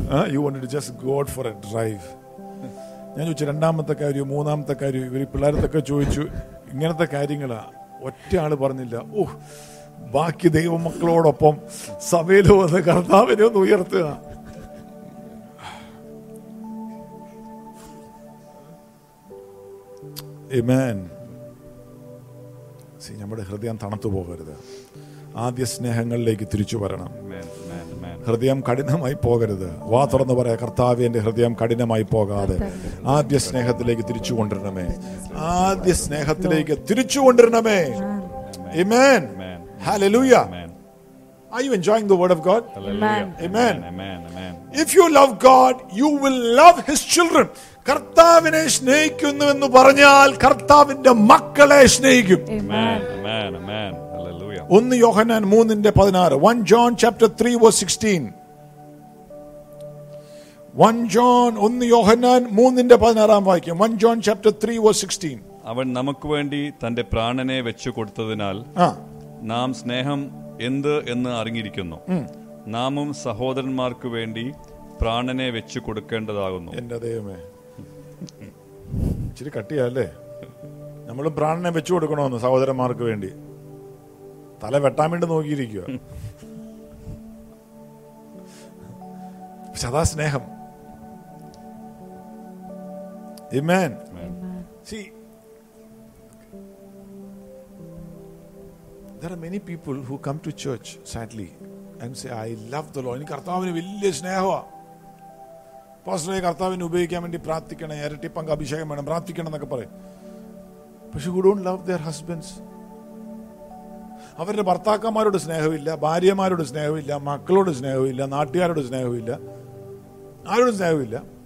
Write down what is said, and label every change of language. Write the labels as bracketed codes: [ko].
[en] You wanted to just go out for a drive. [ml] ഞാൻ ചോദിച്ചു രണ്ടാമത്തെ കാര്യം, മൂന്നാമത്തെ കാര്യം, ഇവർ പിള്ളേരത്തൊക്കെ ചോദിച്ചു. ഇങ്ങനത്തെ കാര്യങ്ങളാ, ഒറ്റയാള് പറഞ്ഞില്ല, ഓ ബാക്കി ദൈവമക്കളോടൊപ്പം സഭയിൽ വന്ന് കർത്താവിനെ ഒന്ന് ഉയർത്തുക. ആമേൻ. നമ്മുടെ ഹൃദയം തണുത്തു പോകരുത്, ആദ്യ സ്നേഹങ്ങളിലേക്ക് തിരിച്ചു വരണം. ഹൃദയം കഠിനമായി പോകരുത്. വാ തുറന്ന് പറയാം, കർത്താവേ എന്റെ ഹൃദയം കഠിനമായി പോകാതെ ആദ്യ സ്നേഹത്തിലേക്ക് തിരിച്ചു കൊണ്ടിരണമേ, ആദ്യ സ്നേഹത്തിലേക്ക് തിരിച്ചു കൊണ്ടിരണമേ. ആമേൻ. [en] Hallelujah. Amen. Are you enjoying the word of God? Hallelujah. Amen. Amen. Amen. Amen. If you love God, you will love his children. [ml] കർത്താവിനെ സ്നേഹിക്കുന്നു എന്ന് പറഞ്ഞാൽ കർത്താവിന്റെ മക്കളെ സ്നേഹിക്കും. [en] Amen. Amen. Amen. Hallelujah. 1 Yohannan 3:16. 1 John chapter 3 verse 16. 1 John [ml] 1 യോഹന്നാൻ 3:16 വായിക്കും. [en] 1 John chapter 3 verse 16. [ml] അവൻ നമുക്ക് വേണ്ടി തന്റെ പ്രാണനെ വെച്ചു കൊടുത്തതിനാൽ നാം സ്നേഹം എന്ത് എന്ന് അറിഞ്ഞിരിക്കുന്നു. നാമും സഹോദരന്മാർക്ക് വേണ്ടി പ്രാണനെ വെച്ച് കൊടുക്കേണ്ടതാകുന്നു. എന്റെ ദൈവമേ, ഇച്ചിരി കട്ടിയല്ലേ? നമ്മളും പ്രാണനെ വെച്ചു കൊടുക്കണമെന്ന് സഹോദരന്മാർക്ക് വേണ്ടി. തല വെട്ടാൻ വേണ്ടി നോക്കിയിരിക്കുക. സദാ സ്നേഹം. ആമേൻ. [en] There are many people who come to church, sadly, and say, I love the Lord. [ml] ഇനി കർത്താവിന് വലിയ സ്നേഹമാണ്. പാസ്റ്ററെ കർത്താവിനെ ഉപയോഗിക്കാൻ വേണ്ടി പ്രാർത്ഥിക്കണം, ഇരട്ടിപ്പങ്ക് അഭിഷേകം വേണം, പ്രാർത്ഥിക്കണം എന്നൊക്കെ പറയും. പക്ഷെ [en] who don't love their husbands. [ml] അവരുടെ ഭർത്താക്കന്മാരോട് സ്നേഹമില്ല, ഭാര്യമാരോട് സ്നേഹമില്ല, മക്കളോട് സ്നേഹമില്ല, നാട്ടുകാരോട് സ്നേഹമില്ല, ആരോടും സ്നേഹമില്ല.